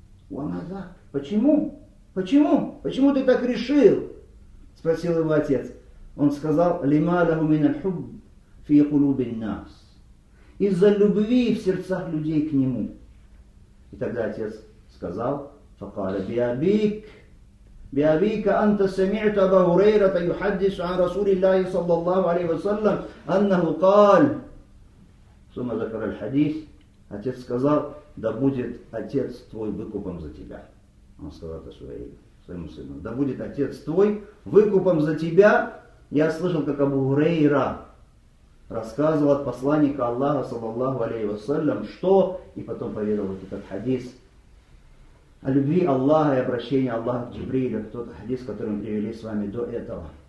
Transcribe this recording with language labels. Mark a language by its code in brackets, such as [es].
[ru] назад. Почему? Почему? Почему ты так решил? Спросил его отец. Он сказал: «Лимадаху мина хубб фи кулубин нас». Из-за любви в сердцах людей к нему. И тогда отец сказал: «Факаля биабик». [ar] بأبيك أنت سمعت أبا هريرة يحدث عن رسول الله صلى الله عليه وسلم أنه قال ثم ذكر الحديث [ru] отец сказал да будет отец твой выкупом за тебя. Он сказал это своему сыну: да будет отец твой выкупом за тебя. Я слышал, как Абу Хурейра рассказывал от посланника Аллаха [ar] صلى الله عليه وسلم [ru] что, и потом поведал вот этот хадис о любви Аллаха и обращении Аллаха к Джибрилю, тот хадис, который мы привели с вами до этого.